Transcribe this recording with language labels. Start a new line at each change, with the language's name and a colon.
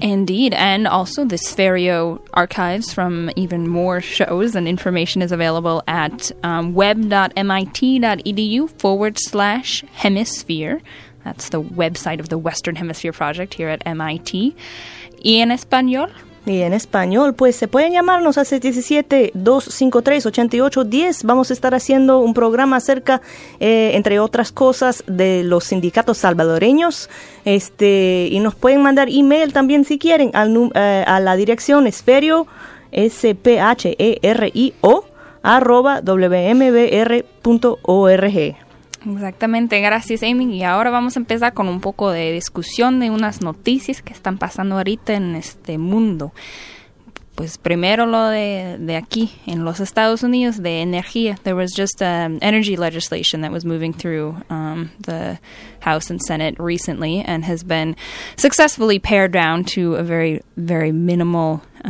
English: Indeed, and also the Sferio archives from even more shows and information is available at web.mit.edu/hemisphere. That's the website of the Western Hemisphere Project here at MIT.
Spanish: ¿Y en español? Y en español, pues se pueden llamarnos al 617-253-8810. Vamos a estar haciendo un programa acerca, entre otras cosas, de los sindicatos salvadoreños. Y nos pueden mandar email también si quieren a la dirección Sferio, sphero@wmbr.org. Exactamente, gracias Amy. Y ahora vamos a empezar con un poco de discusión de unas noticias que están pasando ahorita en este mundo. Pues primero lo de aquí, en los Estados Unidos, de energía.
English: There was just energy legislation that was moving through the House and Senate recently and has been successfully pared down to a very, very minimal